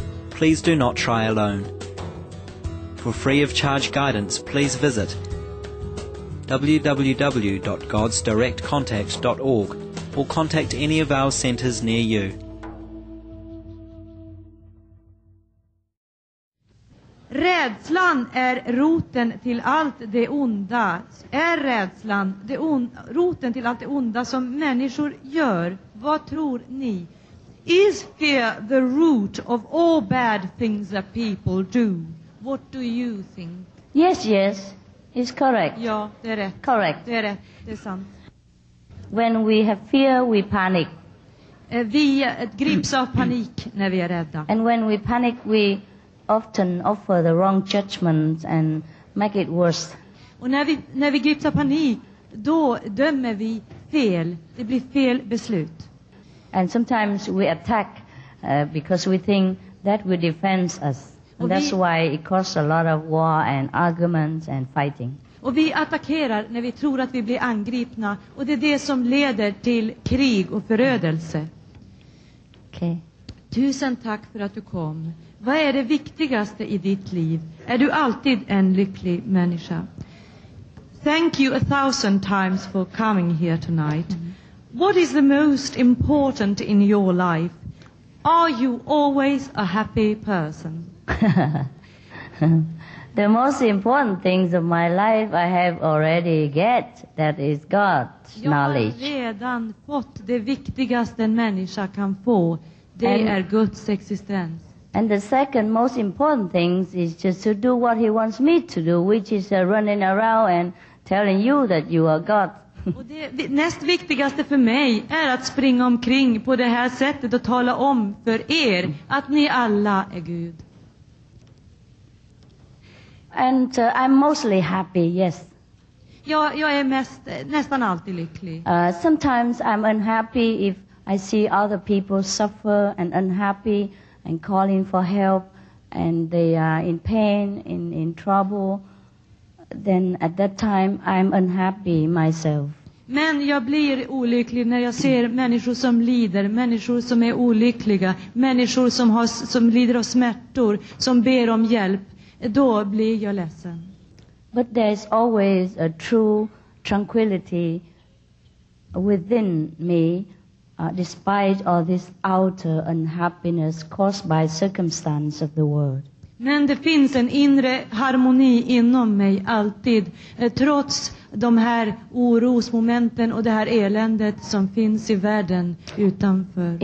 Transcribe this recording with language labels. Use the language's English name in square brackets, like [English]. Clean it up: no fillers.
[English] Please do not try alone. For free of charge guidance, please visit www.godsdirectcontact.org or contact any of our centers near you. [Swedish] Rädslan är roten till allt det onda. Är rädslan roten till allt det onda som människor gör? Vad tror ni? [English] Is fear the root of all bad things that people do? What do you think? Yes, it's correct. [Swedish] Ja, det är rätt. [English] Correct. [Swedish] Det är rätt. Det är sant. [English] When we have fear, we panic. [Swedish] Vi grips av panik när vi är rädda. [English] And when we panic, we often offer the wrong judgments and make it worse. [Swedish] Och när vi grips av panik, då dömer vi fel. Det blir fel beslut. [English] And sometimes we attack because we think that will defend us. And that's why it causes a lot of war and arguments and fighting. [Swedish] Och vi attackerar när vi tror att vi blir angripna, och det är det som leder till krig och förödelse. [English] Okay. [Swedish] Tusen tack för att du kom. Vad är det viktigaste i ditt liv? Är du alltid en lycklig människa? [English] Thank you 1,000 times for coming here tonight. What is the most important in your life? Are you always a happy person? The most important things of my life I have already get, that is God's knowledge. [Swedish] Jag har redan fått det viktigaste en människa kan få, det är Guds existens. [English] And the second most important thing is just to do what he wants me to do, which is running around and telling you that you are God. [Swedish] Och det näst viktigaste för mig är att springa omkring på det här sättet och tala om för er att ni alla är Gud. [English] And I'm mostly happy, yes. [Swedish] Jag är mest, nästan alltid lycklig. [English] Sometimes I'm unhappy if I see other people suffer and unhappy and calling for help and they are in pain, in trouble. Then at that time I'm unhappy myself. [Swedish] Men jag blir olycklig när jag ser människor som lider, människor som är olyckliga, människor som lider av smärtor, som ber om hjälp. Då blir jag ledsen. [English] But there is always a true tranquility within me, despite all this outer unhappiness caused by circumstance of the world. [Swedish] Men det finns en inre harmoni inom mig alltid, trots de här orosmomenten och det här eländet som finns i världen utanför.